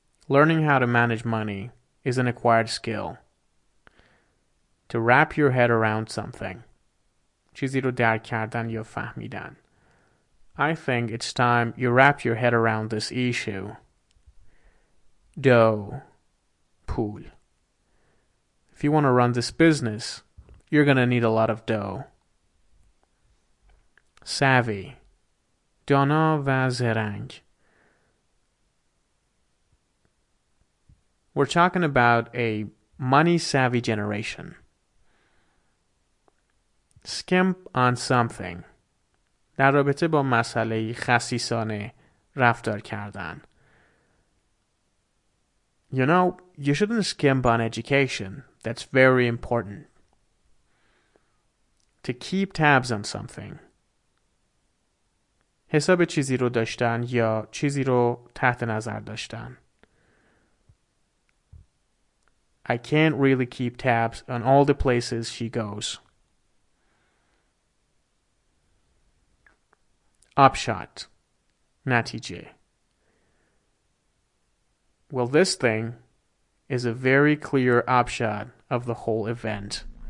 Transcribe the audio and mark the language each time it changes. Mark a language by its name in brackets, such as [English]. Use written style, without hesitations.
[English] Learning how to manage money is an acquired skill. To wrap your head around something. [Persian] چیزی رو درک کردن یا فهمیدن. [English] I think it's time you wrap your head around this issue. [Persian] Dough. پول. [English] If you want to run this business, you're going to need a lot of dough. [Persian] Savvy. دانا و زرنگ. [English] We're talking about a money-savvy generation. Skimp on something. [Persian] در رابطه با مسئله خسیسانه رفتار کردن. [English] You know, you shouldn't skimp on education. That's very important. To keep tabs on something. [Persian] حساب چیزی رو داشتن یا چیزی رو تحت نظر داشتن. [English] I can't really keep tabs on all the places she goes. [Persian] Upshot. نتیجه. [English] Well, this thing is a very clear upshot of the whole event.